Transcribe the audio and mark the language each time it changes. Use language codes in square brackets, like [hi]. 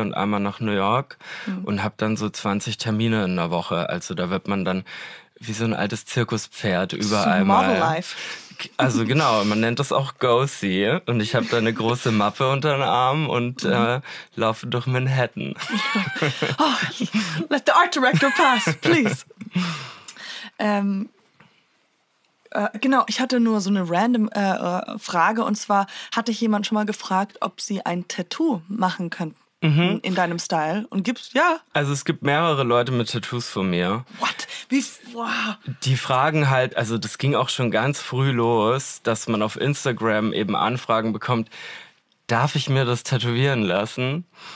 [de] und einmal nach New York und habe dann so 20 Termine in der Woche. Also da wird man dann wie so ein altes Zirkuspferd überall mal. [en] Model Life. [de] Also genau, man nennt das auch Go-See. Und ich habe da eine große Mappe unter den Arm und laufe durch Manhattan. [en] Oh, let the art director pass, please. [de] Genau, ich hatte nur so eine random Frage. Und zwar hatte ich jemand schon mal gefragt, ob sie ein Tattoo machen könnten. In deinem Style. Und gibt's, ja. Also es gibt mehrere Leute mit Tattoos von mir. [en] What? [de] Wie? Wow. Die fragen halt, also das ging auch schon ganz früh los, dass man auf Instagram eben Anfragen bekommt, darf ich mir das tätowieren lassen?